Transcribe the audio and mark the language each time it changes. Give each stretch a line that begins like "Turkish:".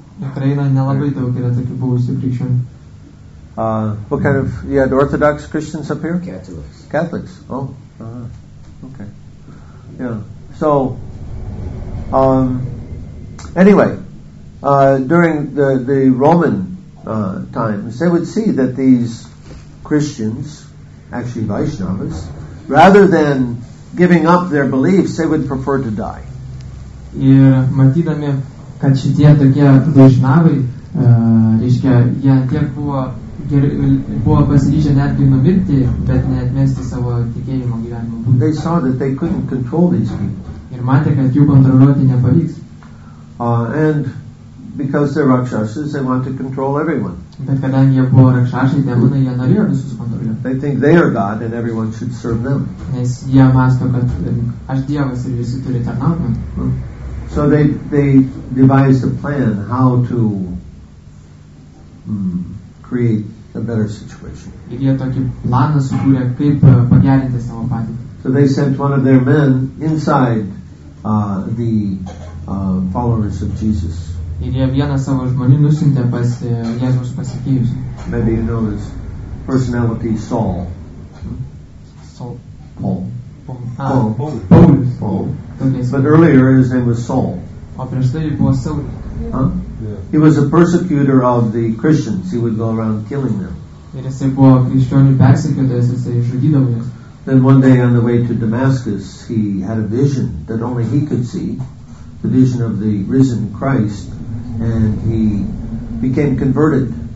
Lithuanian: Ukraina nelabai daug yra tokių buvusių krikščionių.
English: What kind of, you had Orthodox Christians up here? Catholics. Catholics, okay. Yeah, so, anyway, during the Roman times, they would see that these Christians, actually Vaishnavas, rather than giving up their beliefs, they would prefer to die.
Lithuanian: Ir matydami, kad šitie tokie Vaishnavai, reiškia, jie tiek buvo pasiryžę netgi numirti, bet neatmesti savo tikėjimo gyvenimo būdą.
English: They saw that they couldn't control these people.
Lithuanian: Ir matė, kad jų kontroliuoti nepavyks.
English: And because they're rakshasas, they want to control everyone.
Lithuanian: Bet kadangi jie buvo rakshasai, demonai, jie norėjo visus kontroliuoti.
English: They think they are God and everyone should serve them.
Lithuanian: Nes jie mąsto, kad aš Dievas ir visi turi tarnauti.
English: So they devised a plan how to create a better situation.
Lithuanian: Ir jie tokį planą sukūrė, kaip pagerinti savo padėtį.
English: So they sent one of their men inside the followers of Jesus.
Lithuanian: Ir jie vieną savo žmonių nusintė pas Jėzaus pasikėjus.
English: Maybe you know his personality, Saul. Saul. Paul. Paul. But earlier his name was Saul.
Lithuanian: O prieš tai buvo Saul.
English: He was a persecutor of the Christians. He would go around killing them.
Lithuanian: Ir jisai buvo krikščionių persekiotojas, jisai žudydavo juos.
English: Then one day on the way to Damascus, he had a vision that only he could see, the vision of the risen Christ, and he became converted.